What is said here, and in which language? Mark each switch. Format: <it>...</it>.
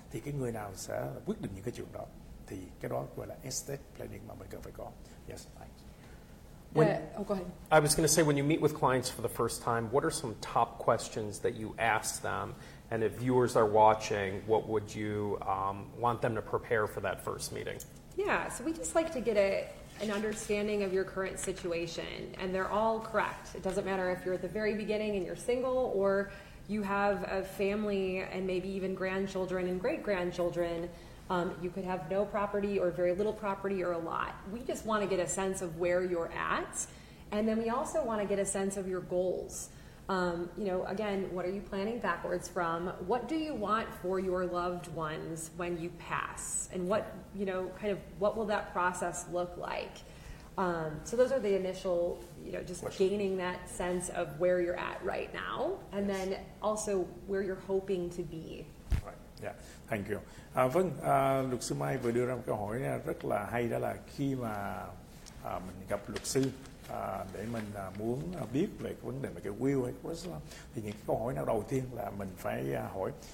<vi>Thì cái người nào sẽ quyết định những cái chuyện đó, thì cái đó gọi là estate planning mà mình cần phải có.</vi> <en>Yes, thanks. Go ahead. I was going to say, when you meet with clients for the first time, what are some top questions that you ask them? And if viewers are watching, what would you want them to prepare for that first meeting? Yeah, so we just like to get an understanding of your current situation. And they're all correct. It doesn't matter if you're at the very beginning and you're single, or you have a family and maybe even grandchildren and great-grandchildren. You could have no property or very little property or a lot. We just want to get a sense of where you're at. And then we also want to get a sense of your goals. You know, again, what are you planning backwards from? What do you want for your loved ones when you pass? And what, you know, kind of what will that process look like? So those are the initial, you know, just question. Gaining that sense of where you're at right now. And yes. then also where you're hoping to be. Right. Yeah. Thank you.</en> <vi>Vâng, luật sư Mai vừa đưa ra một câu hỏi rất là hay, đó là khi mà mình gặp luật sư để mình muốn biết về cái vấn đề về cái will hay cái trust, thì những cái câu hỏi nào đầu tiên là mình phải hỏi.</vi>